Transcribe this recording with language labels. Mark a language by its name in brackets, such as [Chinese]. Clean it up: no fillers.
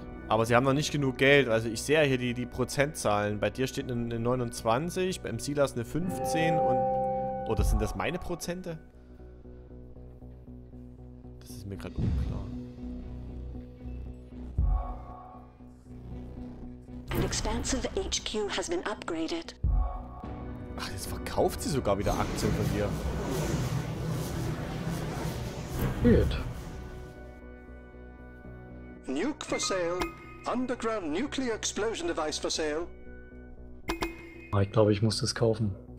[German] Aber sie haben noch nicht genug Geld. Also ich sehe hier die Prozentzahlen. Bei dir steht eine 29, beim Silas eine 15 und... Oder sind das meine Prozente? Das ist mir gerade unklar. [English] An expansive HQ has been upgraded. [German] Ach, jetzt verkauft sie sogar wieder Aktien von dir. [English] Good. Nuke for sale. Underground nuclear explosion device for sale. [German] Ah, ich glaube, ich muss das kaufen.